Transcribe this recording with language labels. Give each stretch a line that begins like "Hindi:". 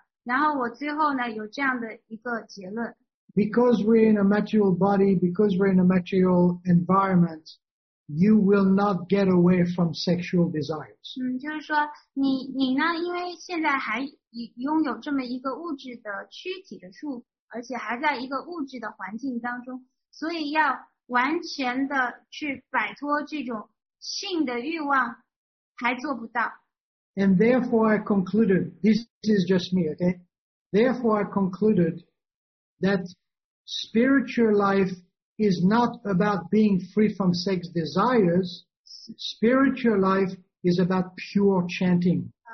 Chinese: 那有一个话题，我在我的脑子里转悠了好一段时间了。然后我最后呢，有这样的一个结论。
English: Because we're in a material body, because we're in a material environment, you will not get away from sexual desires.
Chinese: 就是说你呢，因为现在还拥有这么一个物质的躯体的束缚，而且还在一个物质的环境当中，所以要完全的去摆脱这种性的欲望，还做不到。
English: And therefore I concluded, this is just me, okay? Therefore I concluded that spiritual life is not about being free from sex desires. Spiritual life is about pure chanting.